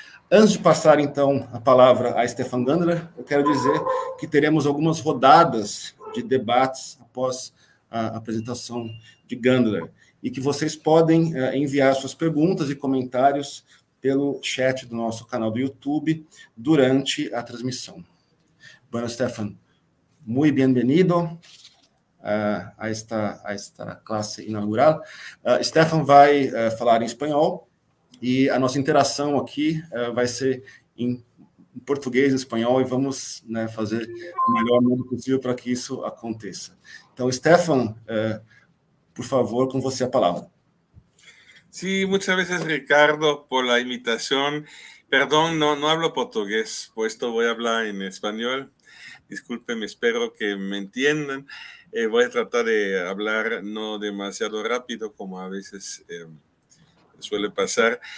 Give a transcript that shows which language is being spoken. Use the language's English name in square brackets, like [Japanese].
[Portuguese] Antes de passar, então, a palavra a Stefan Gandler, eu quero dizer que teremos algumas rodadas de debates após a apresentação de Gandler e que vocês podem enviar suas perguntas e comentários pelo chat do nosso canal do YouTube durante a transmissão. [Spanish] Bueno, Stefan, muy bienvenido a esta clase inaugural. [Portuguese] Stefan vai falar em espanhol. E a nossa interação aqui vai ser em português e espanhol, e vamos, né, fazer o melhor modo possível para que isso aconteça. Então, Stefan, por favor, com você a palavra. [Spanish] Sí, muchas gracias, Ricardo, por la invitación. Perdón, no hablo portugués, puesto voy a hablar en español. Discúlpenme, espero que me entiendan. Voy a tratar de hablar no demasiado rápido, como a veces suele pasar.